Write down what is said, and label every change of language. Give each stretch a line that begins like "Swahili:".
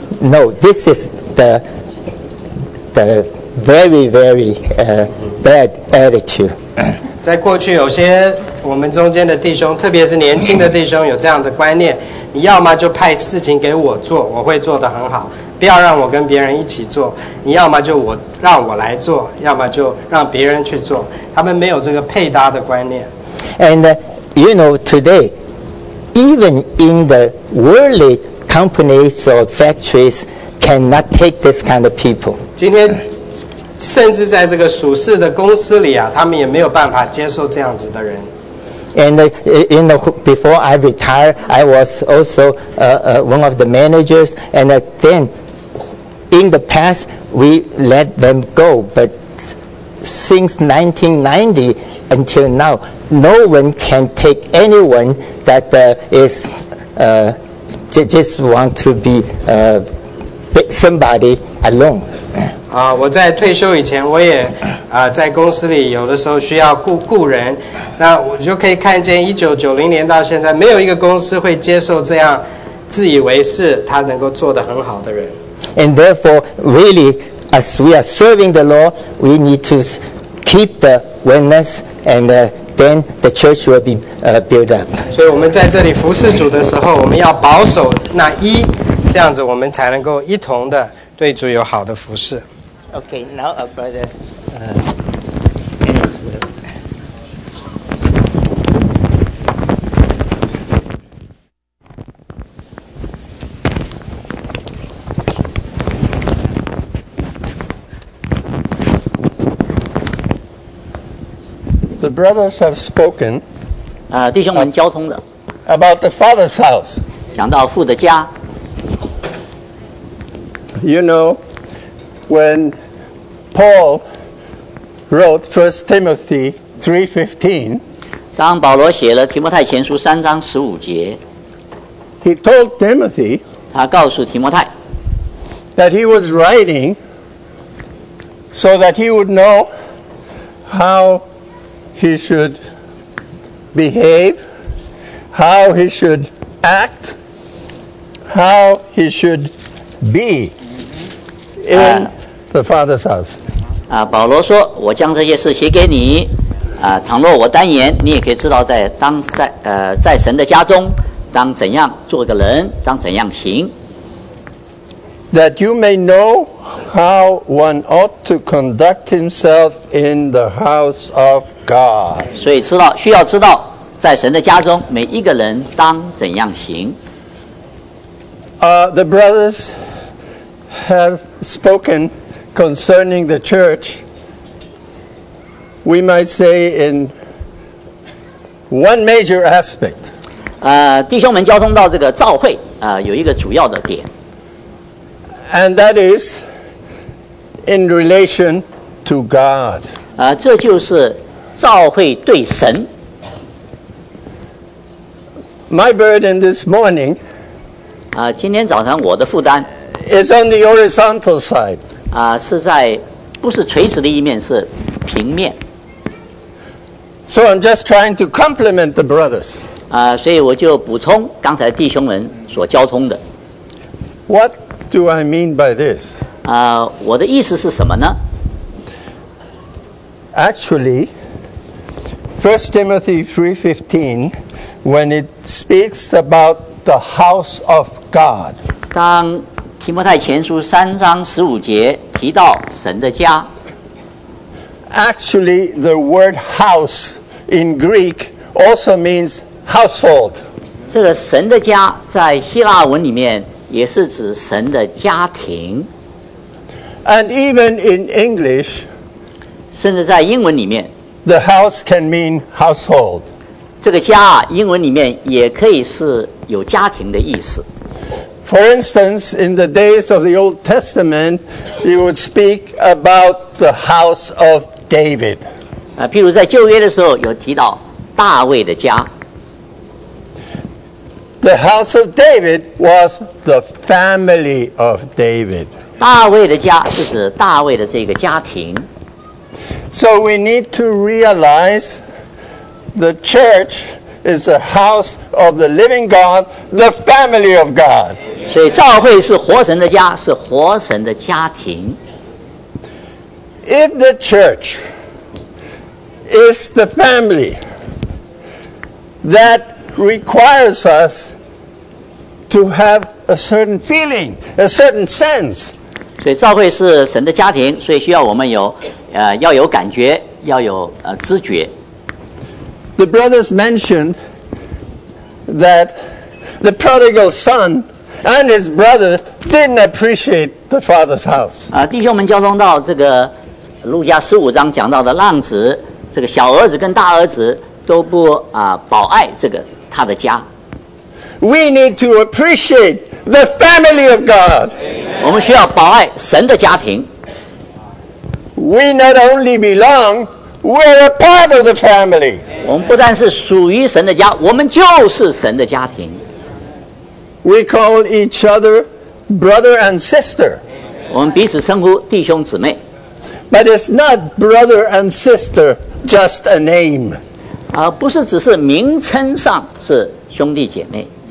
English: No, this is the very very bad attitude.
Chinese: 在过去，有些我们中间的弟兄，特别是年轻的弟兄，有这样的观念。你要么就派事情给我做，我会做得很好，不要让我跟别人一起做。你要么就让我来做，要么就让别人去做。他们没有这个配搭的观念。
English: And you know, today, even in the worldly companies or factories, cannot take this kind of people.
Chinese: 今天，甚至在这个属世的公司里啊，他们也没有办法接受这样子的人。
English: And in the, before I retired, I was also one of the managers. And then, in the past, we let them go. But since 1990 until now, no one can take anyone that is just want to be somebody alone.
Chinese: 我在退休以前，我也在公司里有的时候需要雇人，那我就可以看见1990年到现在，没有一个公司会接受这样自以为是他能够做得很好的人。
English: And therefore, really, as we are serving the Lord, we need to keep the oneness, and then the church will be built up.
Chinese: 所以我们在这里服侍主的时候，我们要保守那一，这样子我们才能够一同的对主有好的服侍。
English: The brothers have spoken.
Chinese: 弟兄们交通的。
English: About the Father's house.
Chinese: 讲到父的家。
English: You know, when Paul wrote 1 Timothy 3:15,
Chinese: 当保罗写了提摩太前书三章十五节，
English: he told Timothy,
Chinese: 他告诉提摩太，
English: that he was writing so that he would know how he should behave, how he should act, how he should be in the Father's house.
Chinese: 保罗说我将这些事写给你倘若我单言你也可以知道 在神的家中当怎样做个人当怎样行
English: That you may know how one ought to conduct himself in the house of God
Chinese: 所以知道需要知道在神的家中每一个人当怎样行
English: The brothers have spoken concerning the churchWe might say in one major aspect.
Chinese: 弟兄们交通到这个召会有一个主要的点。
English: And that is in relation to God.
Chinese: 这就是召会对神。
English: My burden this morning.
Chinese: 今天早上我的负担。
English: Is on the horizontal side.
Chinese: 是在不是垂直的一面是平面。
English: So I'm just trying to compliment the brothers.
Chinese: 所以我就补充刚才弟兄们所交通的。
English: What do I mean by this?
Chinese: 我的意思是什么呢?
English: Actually, 1 Timothy 3:15, when it speaks about the house of God.
Chinese: 当提摩太前书三章十五节提到神的家。
English: Actually, the word house in Greek also means household.
Chinese: 这个神的家在希腊文里面也是指神的家庭。
English: And even in English,
Chinese: 甚至在英文里面
English: the house can mean household.
Chinese: 这个家英文里面也可以是有家庭的意思。
English: For instance, in the days of the Old Testament, you would speak about the house of David.
Chinese: 譬如在旧约的时候有提到大卫的家。
English: The house of David was the family of David.
Chinese: 大卫的家是指大卫的这个家庭。
English: So we need to realize the church is the house of the living God, the family of God.
Chinese: 所以教会是活神的家，是活神的家庭。
English: If the church is the family, that requires us to have a certain feeling, a certain sense.
Chinese: 所以教会是神的家庭，所以需要我们有要有感觉，要有知觉。
English: The brothers mentioned that the prodigal son and his brother didn't appreciate the father's house.
Chinese: 弟兄们交通到这个。路加十五章讲到的浪子，这个小儿子跟大儿子都不保爱这个他的家。
English: We need to appreciate the family of God.
Chinese: 我们需要保爱神的家庭。
English: We not only belong, we're a part of the family.
Chinese: 我们不但是属于神的家，我们就是神的家庭。
English: We call each other brother and sister.
Chinese: 我们彼此称呼弟兄姊妹。
English: But it's not brother and sister, just a name.
Chinese: 不是只是名称上是兄弟姐妹。